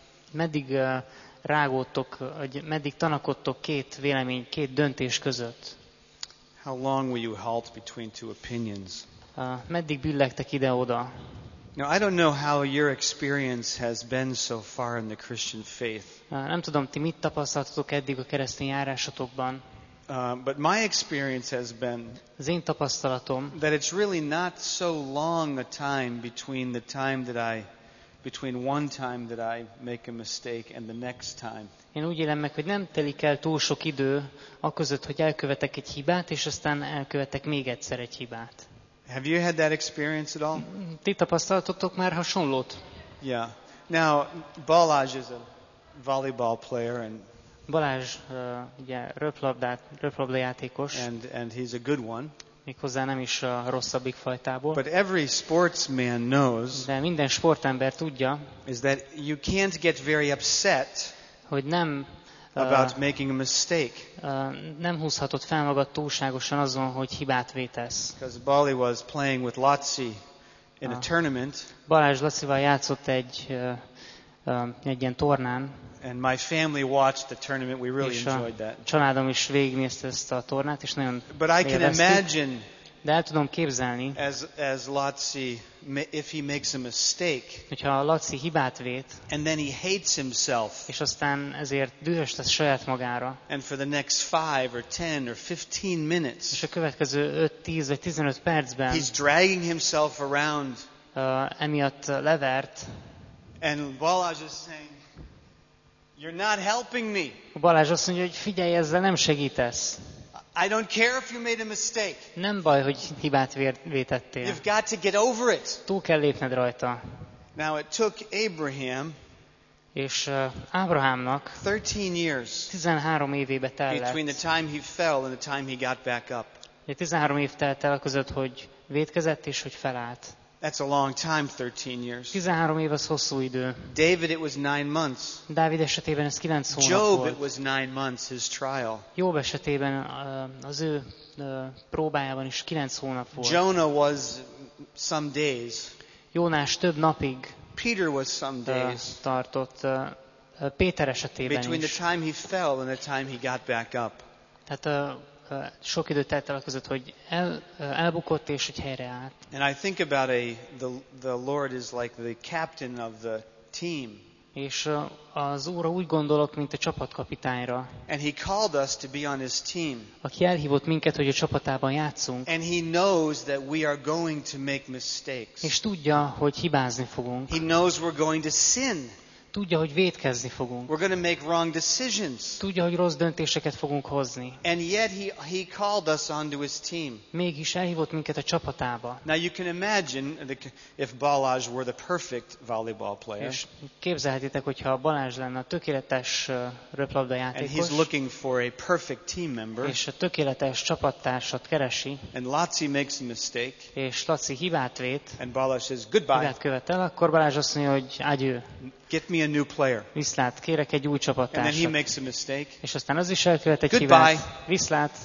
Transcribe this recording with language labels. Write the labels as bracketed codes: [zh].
[hu] Meddig rágódtok, vagy meddig tanakodtok két vélemény, két döntés között? [en] How long will you halt between two opinions? [hu] Meddig billegtek ide-oda? [en] Now, I don't know how your experience has been so far in the Christian faith. [hu] Nem tudom, ti mit tapasztaltatok eddig a keresztény járásotokban. [en] But my experience has been [hu] az én tapasztalatom, [en] that it's really not so long a time between the time that I between one time that I make a mistake and the next time. [hu] Én úgy élem meg, hogy nem telik el túl sok idő aközött, hogy elkövetek egy hibát, és aztán elkövetek még egyszer egy hibát. [en] Have you had that experience at all? [hu] Ti tapasztaltatok már hasonlót? [en] Yeah. Now, Balázs is a volleyball player and [hu] Balázs, ugye röplabda játékos. [en] And he's a good one. [hu] Méghozzá nem is a rosszabbik fajtából. [en] But every sportsman knows. [hu] De minden sportember tudja. [en] Is that you can't get very upset. [hu] Hogy nem [en] about making a mistake. [hu] Nem húzhatott fel magad túlságosan azon, hogy hibát vétesz. [en] Because Bali was playing with Laci in a tournament. [hu] Balázs Lacival játszott egy egy ilyen tornán. [en] And my family watched the tournament. We really enjoyed that. [hu] Családom is végignézte ezt a tornát, és nagyon élveztük. [en] But I can imagine. [hu] De el tudom képzelni. [en] As Laci, if he makes a mistake. [hu] Hogyha Laci hibát vét. [en] And then he hates himself. [hu] És aztán ezért dühös lesz saját magára. [en] And for the next 5 or 10 or 15 minutes. [hu] És a következő 5-10 vagy 15 percben. [en] He's dragging himself around. [hu] Emiatt levert. [en] And Balázs is saying, "You're not helping me." [hu] Balázs azt mondja, hogy figyelj, ezzel nem segítesz. [en] I don't care if you made a mistake. [hu] Nem baj, hogy hibát vétettél. [en] You've got to get over it. [hu] Túl kell lépned rajta. [en] Now it took Abraham. [hu] És Ábrahámnak [en] 13 years. [hu] 13 évébe telt. [en] Between the time he fell and the time he got back up. [hu] 13 év telt el között, hogy vétkezett és hogy felállt. [en] That's a long time, 13 years. [hu] 13 év az hosszú idő. [en] David, it was 9 months. [hu] Dávid esetében ez 9 hónap volt. [en] Job, it was 9 months, his trial. [hu] Jób esetében az ő próbájában is 9 hónap volt. [en] Jonah was some days. [hu] Jónás több napig. [en] Peter was some days. [hu] Tartott Péter esetében is. [en] Between the time he fell and the time he got back up. [hu] Tehát sok időt telt el között, hogy elbukott és hogy helyre állt. [en] And I think about the Lord is like the captain of the team. [hu] És az Úrra úgy gondolok, mint a csapatkapitányra. [en] And he called us to be on his team. [hu] Aki elhívott minket, hogy a csapatában játszunk. [en] And he knows that we are going to make mistakes. [hu] És tudja, hogy hibázni fogunk. [en] He knows we're going to sin. [hu] Tudja, hogy vétkezni fogunk. [en] We're going to make wrong decisions. [hu] Tudja, hogy rossz döntéseket fogunk hozni. [en] And yet he called us onto his team. [hu] Mégis elhívott minket a csapatába. [en] Now you can imagine if Balázs were the perfect volleyball player. [hu] És képzelhetitek, hogyha Balázs lenne a tökéletes röplabdajátékos. [en] And he's looking for a perfect team member. [hu] És a tökéletes csapattársat keresi. [en] And Laci makes a mistake. [hu] És Laci hibát vét. [en] And Balázs says goodbye. [hu] Hibát követel, akkor Balázs azt mondja, hogy adjő. [en] Get me a new player. [hu] Viszlát, kérek egy új csapattársat. [en] And then he makes a mistake. [hu] És aztán az is elkövet egy hibát. [en] Goodbye. [hu] Viszlát.